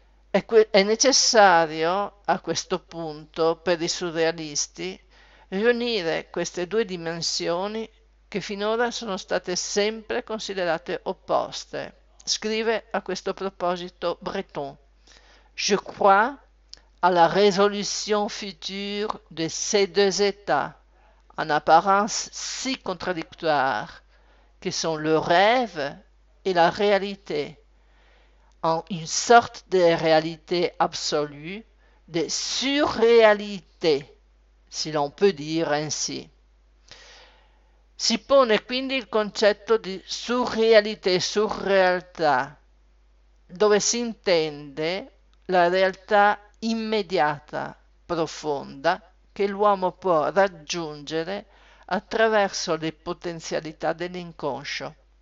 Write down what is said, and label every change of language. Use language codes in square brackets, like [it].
[it] È necessario a questo punto per i surrealisti riunire queste due dimensioni che finora sono state sempre considerate opposte, scrive a questo proposito Breton. [fr] Je crois à la résolution future de ces deux états, en apparence si contradictoires, que sont le rêve et la réalité, en une sorte de réalité absolue, de surréalité, si l'on peut dire ainsi. [it] Si pone quindi il concetto di surréalité, surrealtà, dove si intende la realtà immediata, profonda, che l'uomo può raggiungere attraverso le potenzialità dell'inconscio.